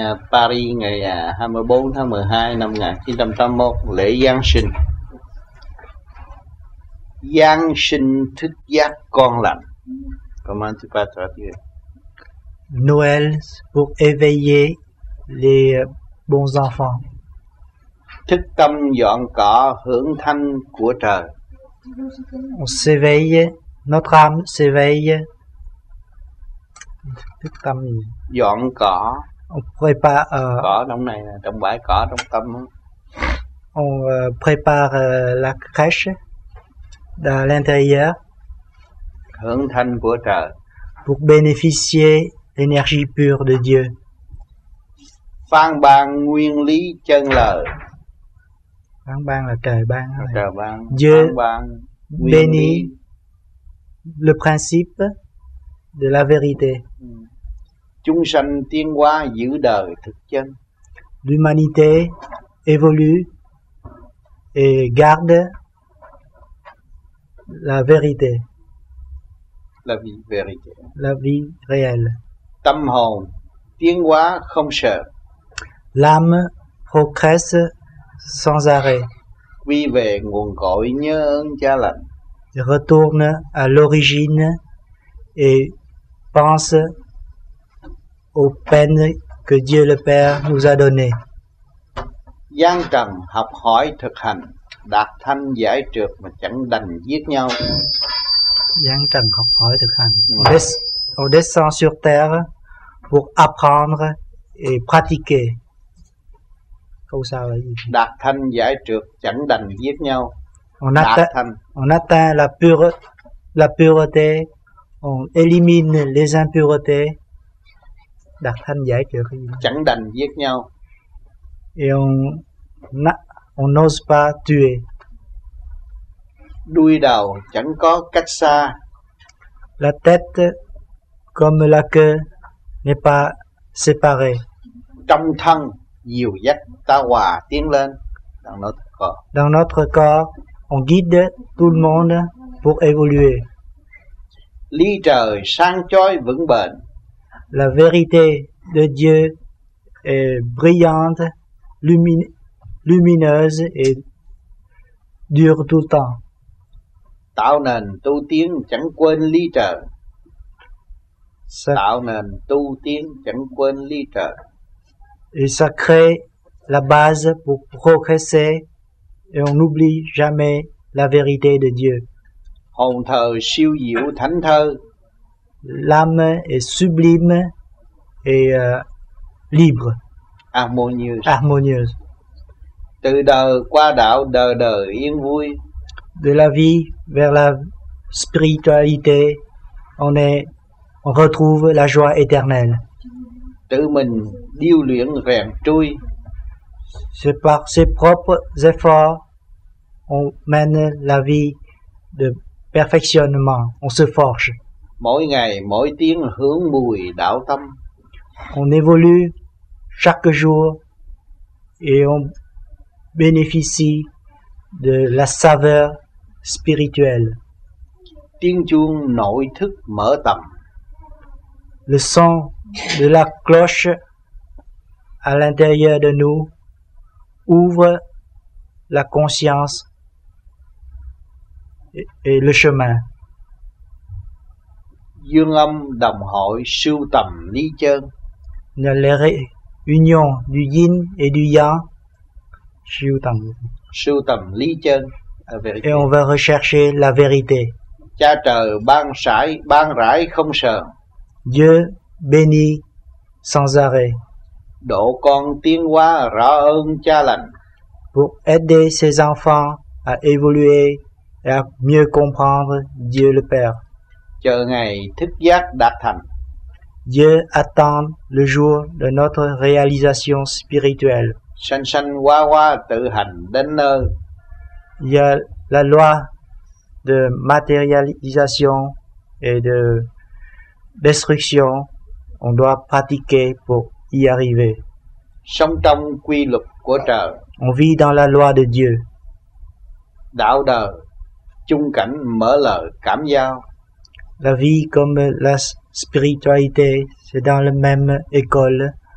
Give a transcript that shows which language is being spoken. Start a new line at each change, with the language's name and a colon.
Vietnamese: Paris, ngày 24 tháng 12 năm 1981, lễ Giáng sinh. Giáng sinh thức giác con lành.
French: Comment tu peux traduire? Noël pour éveiller les bons enfants.
Vietnamese: Thức tâm dọn cỏ hưởng thanh của trời.
French: On s'éveille, notre âme s'éveille.
Vietnamese: Thức tâm dọn cỏ.
French: On prépare
Vietnamese: cỏ trong này, trong bãi cỏ trong tâm.
French: On prépare la crèche à l'intérieur.
Vietnamese: Hưởng thanh của trời.
French: Pour bénéficier l'énergie pure de Dieu.
Vietnamese: Phan ban nguyên lý chân lời. Phan ban là trời ban. Trời ban.
French: Dieu bénit le principe de la vérité.
Vietnamese: Chúng sanh tiến hóa giữ đời thực chân.
French: L'humanité évolue et garde la vérité. La vie vérité. La vie réelle.
Vietnamese: Tâm hồn tiến hóa không sợ.
French: L'âme progresse sans arrêt.
Vietnamese: Quy về nguồn cội nhớ ơn cha lành.
French: Retourne à l'origine et pense aux peines que Dieu le Père nous a données.
Vietnamese: Gian trần học hỏi thực hành, đạt thanh giải trượt mà chẳng đành giết nhau. Gian trần học hỏi thực hành.
French: On descend sur terre pour apprendre et pratiquer.
Vietnamese: Câu sao là gì? Đạt thanh giải trượt chẳng đành giết nhau.
French: On atteint la pureté, on élimine les impuretés.
Vietnamese: Đạt thanh giải trượt cái gì? Chẳng đành giết nhau.
French: Et on n'ose pas tuer.
Vietnamese: Đuôi đầu chẳng có cách xa.
French: La tête comme la queue n'est pas séparé.
Vietnamese: Trong thân dìu dắt ta hòa tiến lên.
French: Dans notre corps, on guide tout le monde pour évoluer.
Vietnamese: Lý trời sáng chói vững bền.
French: La vérité de Dieu est brillante, lumineuse et dure tout le temps.
Vietnamese: Tạo nền tu tiến chẳng quên lý trời. Ça, tạo nền tu tiến chẳng quên lý trời.
French: Et ça crée la base pour progresser et on n'oublie jamais la vérité de Dieu.
Vietnamese: Hồn thờ siêu diệu thánh thơ.
French: L'âme est sublime et libre. Harmonieuse.
Vietnamese: Từ đời qua đạo đời đời yên vui.
French: De la vie vers la spiritualité, on retrouve la joie éternelle.
Vietnamese: Tự mình điêu luyện rèn trui.
French: C'est par ses propres efforts on mène la vie de perfectionnement, on se forge.
Vietnamese: Mỗi ngày mỗi tiếng hướng mùi đạo tâm.
French: On évolue chaque jour et on bénéficie de la saveur spirituelle.
Vietnamese: Tiếng chuông nội thức mở tầm.
French: Le son de la cloche à l'intérieur de nous ouvre la conscience et le chemin.
Vietnamese: Dương âm đồng hội sưu tầm lý chân.
French: La réunion du yin et du yang.
Vietnamese: Sưu tầm lý chân.
French: Et on va rechercher la vérité.
Vietnamese: Cha trời ban rải không sợ.
French: Dieu bénit sans arrêt.
Vietnamese: Độ con tiến hóa rõ ơn cha lành.
French: Pour aider ses enfants à évoluer et à mieux comprendre Dieu le Père.
Vietnamese: Chờ ngày thức giác đạt thành.
French: Dieu attend le jour de notre réalisation spirituelle.
Vietnamese: Sanh sanh hóa hóa tự hành đến nơi.
French: Il y a la loi de matérialisation et de destruction. On doit pratiquer pour y arriver.
Vietnamese: Sống trong quy luật của trời.
French: On vit dans la loi de Dieu.
Vietnamese: Đạo đời, chung cảnh mở lời cảm giao.
French: La vie comme la spiritualité, c'est dans la même école.